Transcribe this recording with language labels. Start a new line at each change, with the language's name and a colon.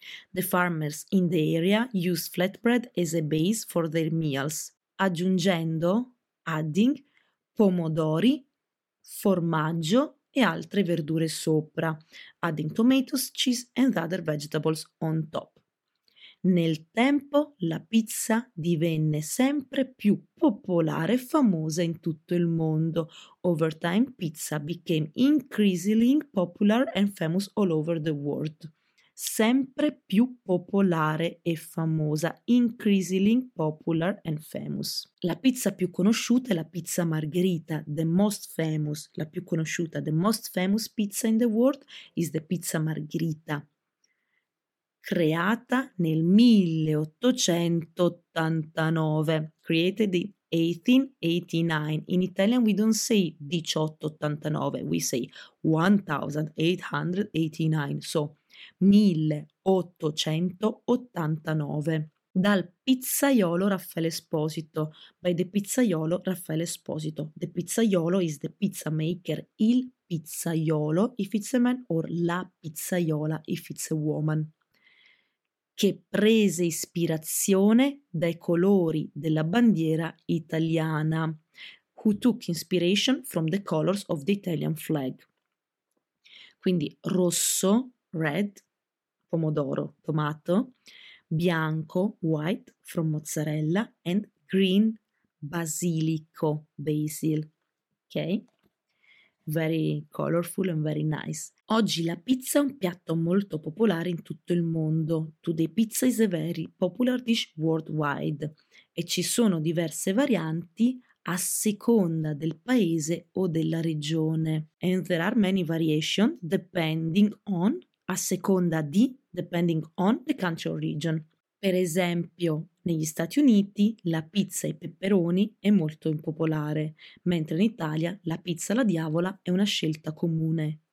English: The farmers in the area used flatbread as a base for their meals, aggiungendo, adding,
Italian: pomodori, formaggio e altre verdure sopra,
English: adding tomatoes, cheese and other vegetables on top.
Italian: Nel tempo la pizza divenne sempre più popolare e famosa in tutto il mondo.
English: Over time pizza became increasingly popular and famous all over the world.
Italian: Sempre più popolare e famosa,
English: increasingly popular and famous.
Italian: La pizza più conosciuta è la pizza margherita,
English: the most famous,
Italian: la più conosciuta,
English: the most famous pizza in the world is the pizza margherita.
Italian: Creata nel 1889,
English: created in 1889. In Italian we don't say 1889, we say 1889, so 1889,
Italian: dal pizzaiolo Raffaele Esposito,
English: by the pizzaiolo Raffaele Esposito. The pizzaiolo is the pizza maker, il pizzaiolo if it's a man, or la pizzaiola if it's a woman.
Italian: Che prese ispirazione dai colori della bandiera italiana.
English: Who took inspiration from the colors of the Italian flag. Quindi rosso, red, pomodoro, tomato, bianco, white, from mozzarella, and green, basilico, basil. Ok? Very colorful and very nice.
Italian: Oggi la pizza è un piatto molto popolare in tutto il mondo.
English: Today pizza is a very popular dish worldwide.
Italian: E ci sono diverse varianti a seconda del paese o della regione.
English: And there are many variations depending on,
Italian: a seconda di,
English: depending on the country or region.
Italian: Per esempio, negli Stati Uniti la pizza ai peperoni è molto impopolare, mentre in Italia la pizza alla diavola è una scelta comune.